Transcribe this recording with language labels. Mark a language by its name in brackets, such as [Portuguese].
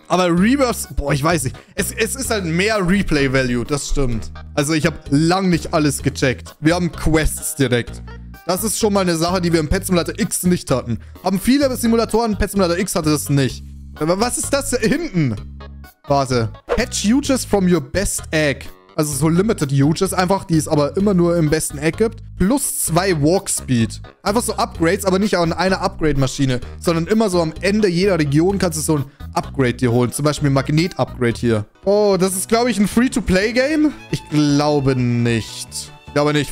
[German] Aber Rebirths, boah, ich weiß nicht. Es ist halt mehr Replay-Value, das stimmt. Also, ich habe lang nicht alles gecheckt. Wir haben Quests direkt. Das ist schon mal eine Sache, die wir im Pet Simulator X nicht hatten. Haben viele Simulatoren, Pet Simulator X hatte das nicht. Aber was ist das da hinten? Warte. [English] Catch Huges from your best egg. [German] Also so limited Huges einfach, die es aber immer nur im besten Egg gibt. Plus 2 Walk Speed. Einfach so Upgrades, aber nicht an einer Upgrade-Maschine, sondern immer so am Ende jeder Region kannst du so ein Upgrade dir holen. Zum Beispiel ein Magnet-Upgrade hier. Oh, das ist, glaube ich, ein Free-to-Play-Game? Ich glaube nicht. Ich glaube nicht.